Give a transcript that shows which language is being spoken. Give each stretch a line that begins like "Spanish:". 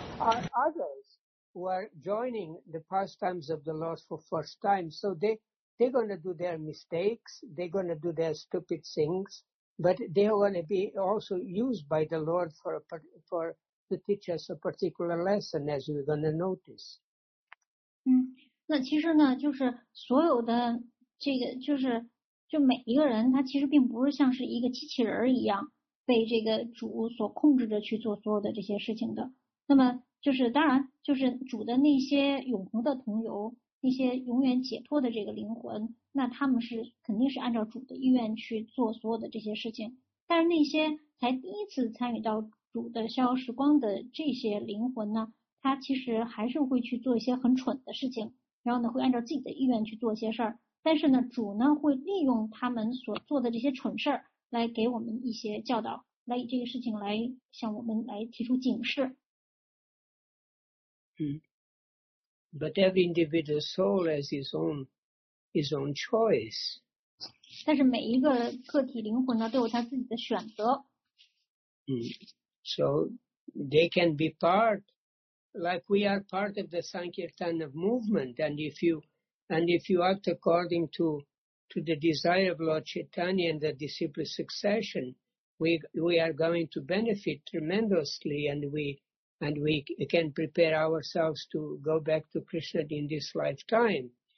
English: Are others who are joining the pastimes of the Lord for first time, so they're going to do their mistakes, they're going to do their stupid things, but they are going to be also used by the Lord for to teach us a particular lesson, as we're going to notice.
Chinese: 那其实呢，就是所有的这个，就每一个人，他其实并不是像是一个机器人一样。被这个主所控制着去做所有的这些事情的，那么就是当然就是主的那些永恒的同游，那些永远解脱的这个灵魂，那他们是肯定是按照主的意愿去做所有的这些事情，但是那些才第一次参与到主的逍遥时光的这些灵魂呢，他其实还是会去做一些很蠢的事情，然后呢会按照自己的意愿去做一些事儿，但是呢主呢会利用他们所做的这些蠢事儿来给我们一些教导，来以这个事情来向我们来提出警示。
English: But every individual soul has his own choice.
Chinese: 但是每一个个体灵魂呢，都有他自己的选择。
English: So they can be part, like we are part of the Sankirtan of movement, and if you act according to the desire of Lord Chaitanya and the disciple succession, we are going to benefit tremendously and we can prepare ourselves to go back to Krishna in this lifetime.